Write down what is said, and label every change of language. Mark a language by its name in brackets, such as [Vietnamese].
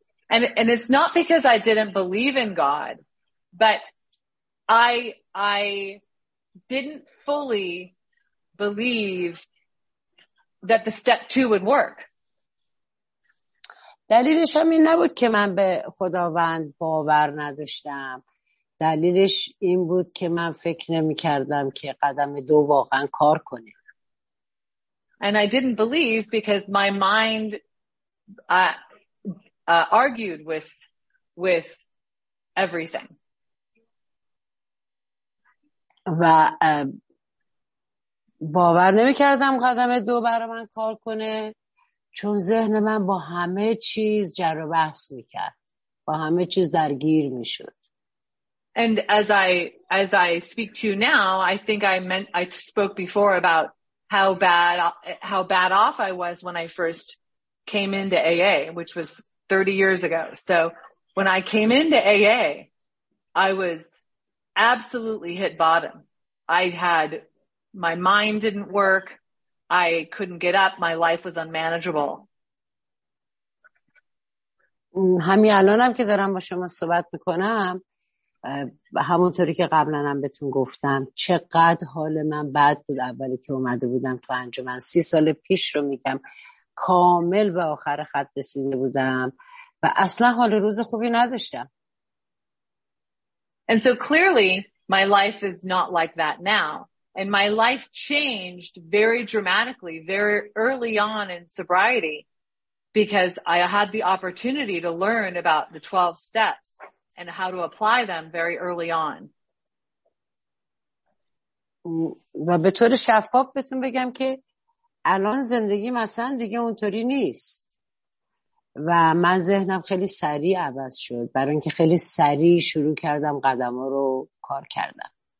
[English] And it's not because I didn't believe in God, but I didn't fully believe that the step two would work. [Persian] دلیلش هم این نبود که من به خداوند باور نداشتم. دلیلش این بود که من فکر نمی کردم که قدم دو واقعا کار کنه. [English] And I didn't believe because my mind argued with everything. [Persian] و باور نمی کردم قدم دو برای من کار کنه، چون ذهن من با همه چیز جر و بحث می کرد، با همه چیز درگیر می شد. [English] And as I speak to you now, I think I spoke before about how bad off I was when I first came into AA, which was 30 years ago. So when I came into AA, I was absolutely hit bottom. I had, my mind didn't work. I couldn't get up. My life was unmanageable. [Persian] همین الانم که دارم با شما صحبت میکنم، همونطوری که قبلا هم بهتون گفتم، چقدر حال من بد بود اولی که اومده بودم تو انجمن. 30 سال پیش رو میگم، کامل به آخر خط رسیده بودم و اصلا حال روز خوبی نداشتم. [English] And so clearly my life is not like that now, and my life changed very dramatically very early on in sobriety because I had the opportunity to learn about the 12 steps and how to apply them very early on. [Persian] و به طور شفاف بهتون بگم که الان زندگی مثلا دیگه اونطوری نیست و من ذهنم خیلی سریع عوض شد، برای اینکه خیلی سریع شروع کردم قدم ها رو کار کردم.